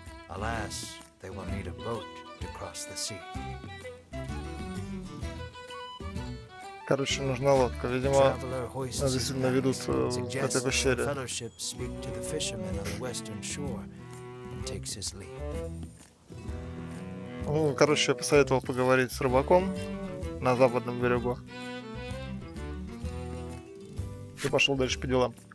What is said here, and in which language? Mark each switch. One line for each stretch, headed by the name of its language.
English: Alas, they will need a boat to cross the sea.
Russian: Короче, нужна лодка. Видимо, нас действительно ведут к этой пещере.
English: Fellowship speak to the fisherman on the western shore and takes his leave.
Russian: Ну, короче, я посоветовал поговорить с рыбаком на западном берегу. И пошел дальше по делам.